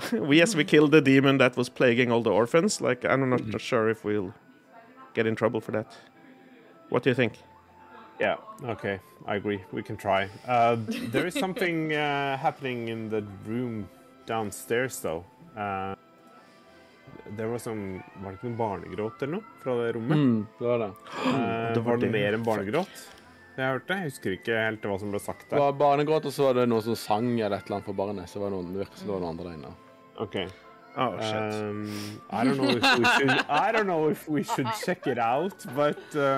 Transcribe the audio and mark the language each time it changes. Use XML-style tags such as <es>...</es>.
<en>Yes, we killed the demon that was plaguing all the orphans. Like, I'm not sure if we'll get in trouble for that. What do you think? Yeah, okay, I agree. We can try. There is something happening in the room downstairs, though. There was some...</en> <no>Var det ikke noen barnegråt eller noe fra det rommet? Det var det. Det var mer enn barnegråt. Det har jeg hørt det. Jeg husker ikke helt hva som ble sagt der. Det var barnegråt, og så var det noen som sang eller et eller annet for barnet. Så det virket som det var noen andre der inne. Ok.</no> <en>Oh, shit. I don't know if we should check it out, but...</en>